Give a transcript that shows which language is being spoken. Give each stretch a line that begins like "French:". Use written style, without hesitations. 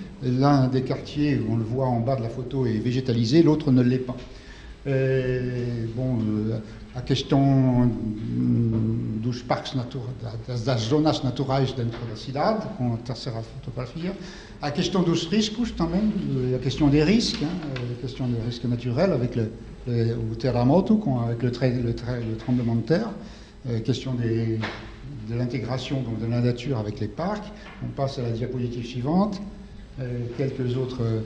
French: L'un des quartiers, on le voit en bas de la photo, est végétalisé, l'autre ne l'est pas.
Portuguese: La question dos parques naturels, das zonas naturais dentro da cidade, com a terceira fotografia. A question dos riscos, também,
French: la question des risques, la question des risques naturels avec le terremoto, avec le tremblement de terre, question de l'intégration donc de la nature avec les parcs. On passe à la diapositive suivante. Quelques autres